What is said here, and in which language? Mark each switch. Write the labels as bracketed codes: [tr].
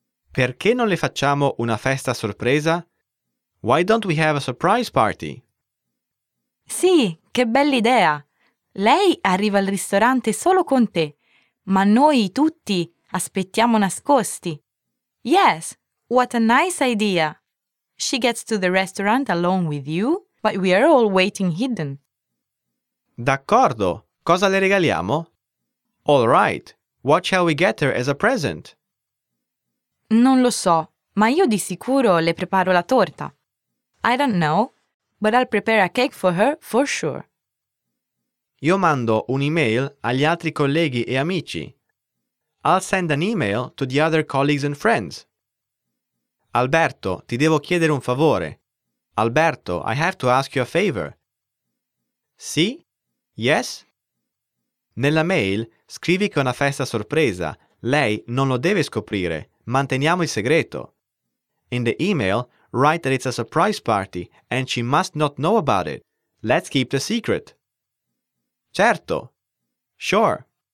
[it] Perché non le facciamo una festa sorpresa? [en] Why don't we have a surprise party? [it] Sì, che bella idea! Lei arriva al ristorante solo con te, ma noi tutti aspettiamo nascosti. [en] Yes, what a nice idea! She gets to the restaurant alone with you, but we are all waiting hidden. [it] D'accordo, cosa le regaliamo? [en] All right, what shall we get her as a present? [it] Non lo so, ma io di sicuro le preparo la torta. [en] I don't know, but I'll prepare a cake for her for sure. [it] Io mando un'email agli altri colleghi e amici. [en] I'll send an email to the other colleagues and friends. [it] Alberto, ti devo chiedere un favore. [en] Alberto, I have to ask you a favor. [it] Sì? [en] Yes? [it] Nella mail scrivi che è una festa sorpresa. Lei non lo deve scoprire. Manteniamo il segreto. [en] In the email, write that it's a surprise party and she must not know about it. Let's keep the secret. [it] Certo. [en] Sure.